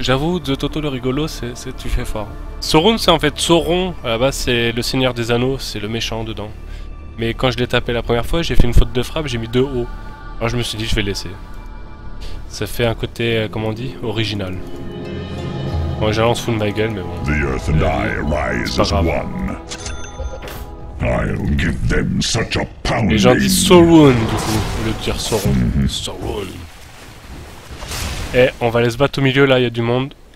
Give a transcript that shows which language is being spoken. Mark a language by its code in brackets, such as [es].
[fr] J'avoue, The Toto le rigolo, c'est tu fais fort. Sauron, c'est en fait Sauron. À la base, c'est le Seigneur des Anneaux, c'est le méchant dedans. Mais quand je l'ai tapé la première fois, j'ai fait une faute de frappe, j'ai mis deux O. Alors je me suis dit, je vais le laisser. Ça fait un côté, comment on dit, original. Bon, j'ai lancé fou de ma gueule, mais bon. [en] The Earth and I rise as one. I'll give them such a pounding. [fr] Les gens disent Sauron du coup, au lieu de dire Sauron. Sauron. Eh, on va aller se battre au milieu là, il y a du monde.